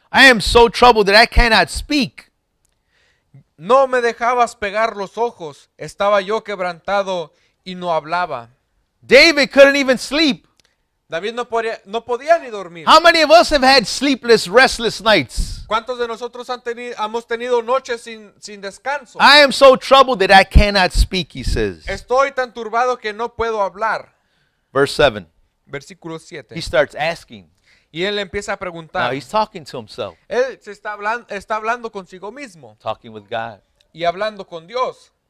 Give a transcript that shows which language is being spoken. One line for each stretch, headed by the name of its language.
English: I am so troubled that I cannot speak.
Spanish: No me dejabas pegar los ojos. Estaba yo quebrantado y no hablaba.
English: David couldn't even sleep.
Spanish: David no podía ni dormir.
English: How many of us have had sleepless, restless nights?
Spanish: ¿Cuántos de nosotros hemos tenido noches sin descanso?
English: I am so troubled that I cannot speak, he says.
Spanish: Estoy tan turbado que no puedo hablar.
English: Verse 7.
Spanish: Versículo 7.
English: He starts asking.
Spanish: Y él empieza a preguntar.
English: Now he's talking to himself.
Spanish: Él se está hablando consigo mismo.
English: Talking with God.
Spanish: Y hablando con Dios.